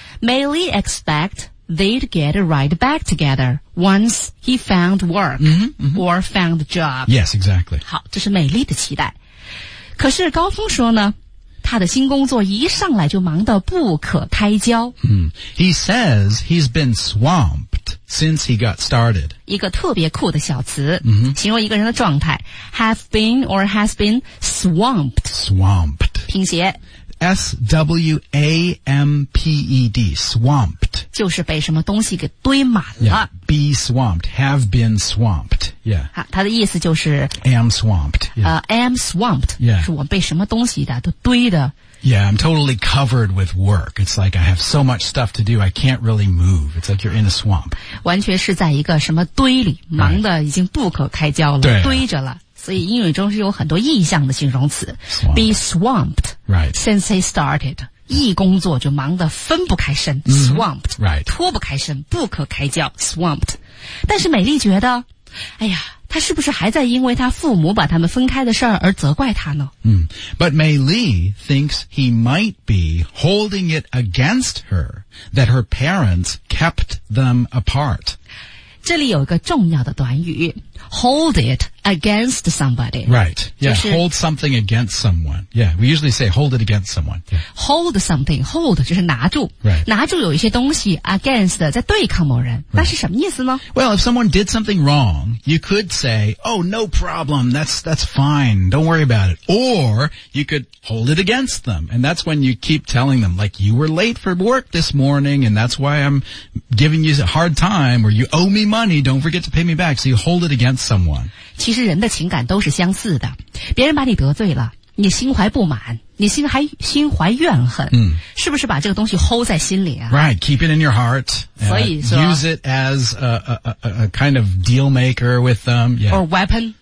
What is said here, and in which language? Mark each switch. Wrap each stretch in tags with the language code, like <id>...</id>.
<en>Mei Li expect they'd get right back together once he found work mm-hmm, mm-hmm. or found a job. Yes, exactly.</en> <zh>好，这是美丽的期待。可是高峰说呢，他的新工作一上来就忙得不可开交。 Mm.</zh> <en>He says he's been swamped since he got started.</en> <zh>一个特别酷的小词、 mm-hmm. 形容一个人的状态</zh> <en>have been or has been swamped. Swamped.</en> <zh>拼写。</zh> <en>S-W-A-M-P-E-D, swamped.</en> <zh>就是被什么东西给堆满了。</zh> <en>Yeah, be swamped, have been swamped, yeah.</en> <zh>他的意思就是</zh> <en>am swamped, yeah. Am swamped, yeah.</en> <zh>是我被什么东西的都堆的。</zh> <en>Yeah, I'm totally covered with work. It's like I have so much stuff to do, I can't really move. It's like you're in a swamp.</en> <zh>完全是在一个什么堆里忙得已经不可开交了、</zh> <en>right.</en> <zh>堆着了。所以英语中是有很多意象的形容词。</zh> <en>Swamped. Be swamped. Right. Since he started.</en> <zh>一工作就忙得分不开身、mm-hmm. swamped,</zh> <en>right.</en> <zh>脱不开身不可开交 swamped. 但是美丽觉得哎呀他是不是还在因为他父母把他们分开的事而责怪他呢、 mm.</zh> <en>But Mei Li thinks he might be holding it against her that her parents kept them apart.</en> <zh>这里有一个重要的短语</zh> <en>hold it against somebody. Right. Yeah, hold something against someone. Yeah, we usually say hold it against someone.、Yeah.</en> <zh>Hold something, hold 就是拿住、</zh> <en>right.</en> <zh>拿住有一些东西 against 在对抗某人、</zh> <en>right.</en> <zh>那是什么意思呢</zh> <en>Well, if someone did something wrong, you could say, oh, no problem, that's fine, don't worry about it. Or you could hold it against them. And that's when you keep telling them, like, you were late for work this morning and that's why I'm giving you a hard time or you owe me money, don't forget to pay me back. So you hold it against someone.</en> <zh>其实人的情感都是相似的。别人把你得罪了，你心怀不满，你心怀怨恨、 mm. 是不是把这个东西 hold 在心里啊</zh> <en>Right, keep it in your heart.</en> <zh>所以说</zh> <en>use it as a kind of deal maker with them.、Yeah. Or weapon.</en>